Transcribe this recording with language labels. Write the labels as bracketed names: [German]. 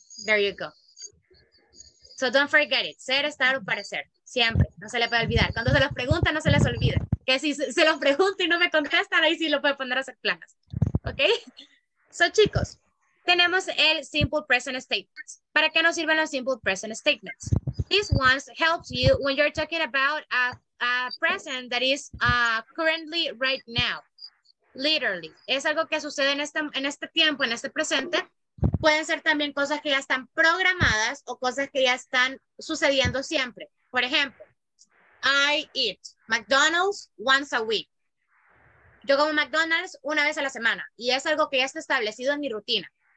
[English] There you go. So don't forget it. [Spanish] Ser, estar o parecer. Siempre. No se le puede olvidar. Cuando se los pregunta, no se les olvide. Que si se los pregunta y no me contestan, ahí sí lo puede poner a hacer planas. ¿Ok? So, chicos, tenemos el simple present statement. ¿Para qué nos sirven los simple present statements? [English] These ones help you when you're talking about a present that is currently right now. Literally. [Spanish] Es algo que sucede en este tiempo, en este presente. Pueden ser también cosas que ya están programadas o cosas que ya están sucediendo siempre. Por ejemplo, [English] I eat McDonald's once a week. [Spanish] Yo como McDonald's una vez a la semana y es algo que ya está establecido en mi rutina.